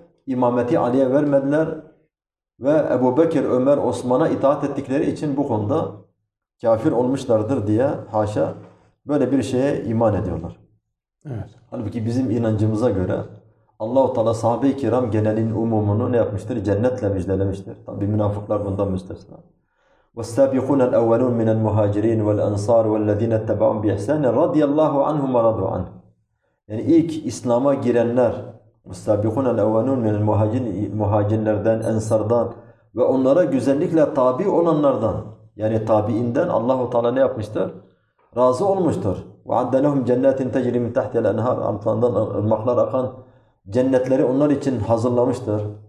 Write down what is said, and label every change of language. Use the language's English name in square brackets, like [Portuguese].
[Turkish] İmameti Ali'ye vermediler. Ve Ebu Bekir, Ömer, Osman'a itaat ettikleri için bu konuda kafir olmuşlardır diye haşa böyle bir şeye iman ediyorlar. Evet. Halbuki bizim inancımıza göre Allah-u Teala sahabe-i kiram genelin umumunu ne yapmıştır? Cennetle müjdelemiştir. Tabi münafıklar bundan müstesna. [Arabic] والسابقون الأولون من المهاجرين والأنصار والذين اتبعوهم بإحسان رضي الله عنهم ورضوا عنه. [Turkish] Yani ilk İslam'a girenler, [Arabic] والسابقون الأولون من المهاجرين [Turkish] Ensar'dan ve onlara güzellikle tabi olanlardan, yani tabiinden Allahu Teala ne yapmıştır? Razı olmuştur. [Arabic] وَعَدَّ لَهُمْ جَنَّاتٍ تَجْرِي مِنْ تَحْتِهَا الْاَنْهَارِ [Turkish] Altlarından ırmaklar akan cennetleri onlar için hazırlamıştır.